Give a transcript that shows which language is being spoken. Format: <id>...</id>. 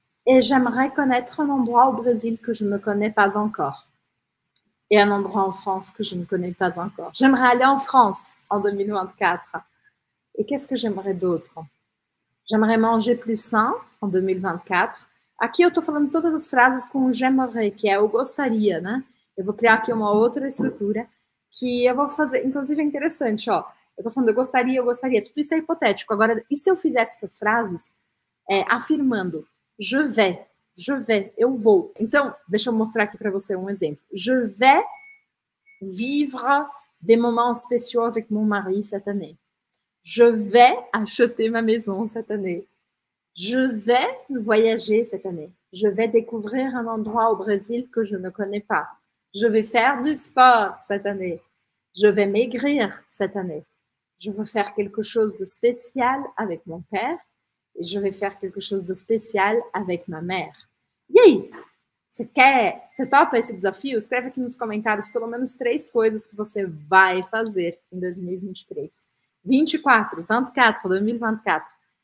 <fr>Et j'aimerais connaître un endroit au Brésil que je ne connais pas encore. Et un endroit en France que je ne connais pas encore. J'aimerais aller en France en 2024. Et qu'est-ce que j'aimerais d'autre? J'aimerais manger plus sain en 2024.</fr> <pt>Aqui eu estou falando todas as frases com j'aimerais, que é eu gostaria, né? Eu vou criar aqui uma outra estrutura que eu vou fazer. Inclusive, é interessante, ó. Eu tô falando eu gostaria, tudo isso é hipotético. Agora, e se eu fizesse essas frases afirmando?</pt> <fr>Je vais,</fr> <pt>eu vou. Então, deixa eu mostrar aqui para você um exemplo.</pt> <fr>Je vais vivre des moments spéciaux avec mon mari cette année. Je vais acheter ma maison cette année. Je vais voyager cette année. Je vais découvrir un endroit au Brésil que je ne connais pas. Je vais faire du sport cette année. Je vais maigrir cette année. Je veux faire quelque chose de spécial avec mon père. Et je vais faire quelque chose de spécial avec ma mère.</fr> <pt>E aí? Você quer? Você topa esse desafio? Escreve aqui nos comentários pelo menos três coisas que você vai fazer em 2023. 24, 24, 2024.</pt>